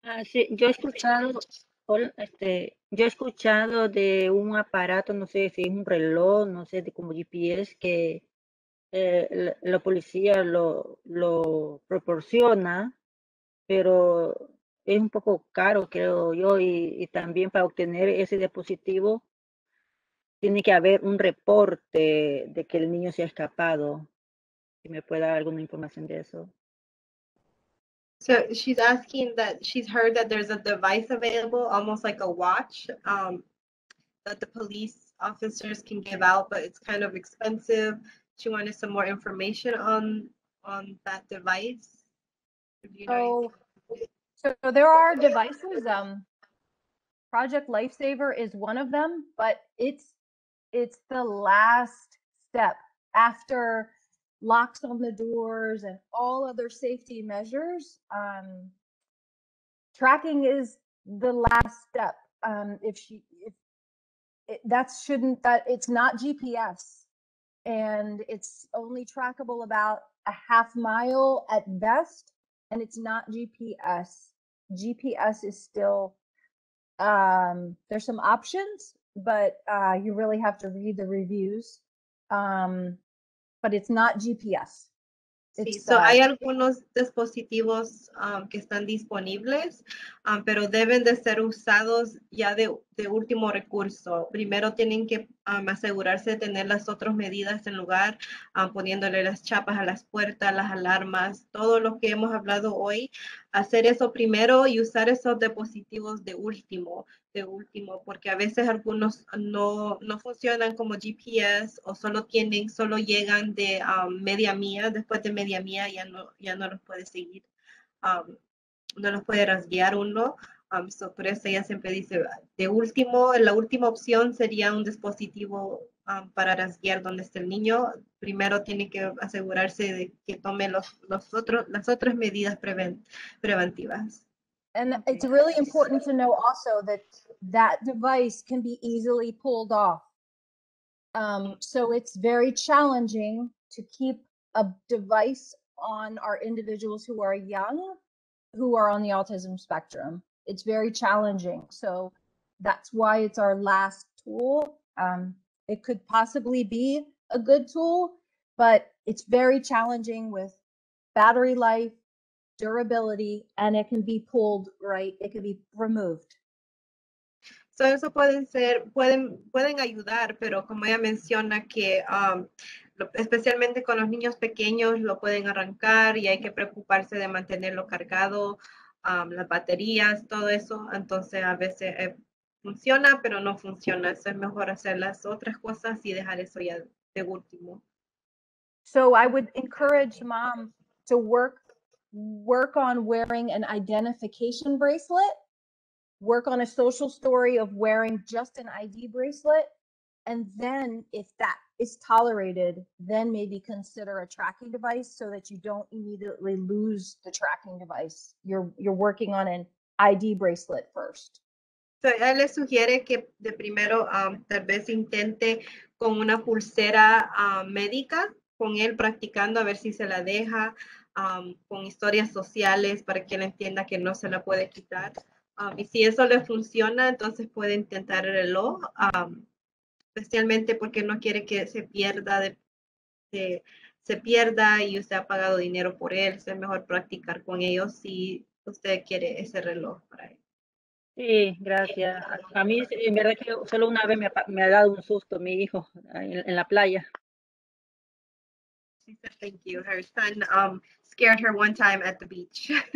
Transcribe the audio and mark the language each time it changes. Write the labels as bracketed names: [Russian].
[Spanish] Sí, yo he escuchado de un aparato, no sé si es un reloj, no sé, de como GPS, que la policía lo proporciona, pero es un poco caro, creo yo, y también para obtener ese dispositivo tiene que haber un reporte de que el niño se ha escapado. Si me puede dar alguna información de eso. [English] So she's asking that she's heard that there's a device available, almost like a watch, that the police officers can give out, but it's kind of expensive. She wanted some more information on that device. So there are devices. Project Lifesaver is one of them, but it's the last step after locks on the doors and all other safety measures. Tracking is the last step. It's not GPS, and it's only trackable about a half mile at best, and it's not GPS. GPS is still, there's some options, but you really have to read the reviews. But it's not GPS. [Spanish] Hay algunos dispositivos que están disponibles, pero deben de ser usados ya de último recurso. Primero tienen que asegurarse de tener las otras medidas en lugar, poniéndole las chapas a las puertas, las alarmas, todo lo que hemos hablado hoy. Hacer eso primero y usar esos dispositivos de último, porque a veces algunos no funcionan como GPS o solo llegan de media mía. Después de media mía ya no los puede seguir, no los puede rastrear uno. Por eso ella siempre dice de último, la última opción sería un dispositivo para rastrear donde está el niño. Primero tiene que asegurarse de que tome las otras medidas preventivas. [English] And it's really important to know also that device can be easily pulled off. So it's very challenging to keep a device on our individuals who are young, who are on the autism spectrum. It's very challenging. So that's why it's our last tool. It could possibly be a good tool, but it's very challenging with battery life, durability, and it can be pulled, right? It can be removed. [Spanish] So eso pueden ayudar, pero como ella menciona que especialmente con los niños pequeños lo pueden arrancar y hay que preocuparse de mantenerlo cargado, las baterías, todo eso. Entonces a veces funciona, pero no funciona. Eso es mejor hacer las otras cosas y dejar eso ya de último. [English] So I would encourage mom to work on wearing an identification bracelet, work on a social story of wearing just an ID bracelet, and then if that is tolerated, then maybe consider a tracking device so that you don't immediately lose the tracking device. You're working on an ID bracelet first. [Spanish] So, él le sugiere que de primero tal vez intente con una pulsera médica con él practicando a ver si se la deja con historias sociales para que él entienda que no se la puede quitar. Y si eso le funciona, entonces puede intentar el reloj, especialmente porque no quiere que se pierda se pierda y usted ha pagado dinero por él. Es mejor practicar con ellos si usted quiere ese reloj para él. Sí, gracias. A mí, en verdad que solo una vez me ha dado un susto mi hijo en la playa. [English] She said, thank you. Her son scared her one time at the beach.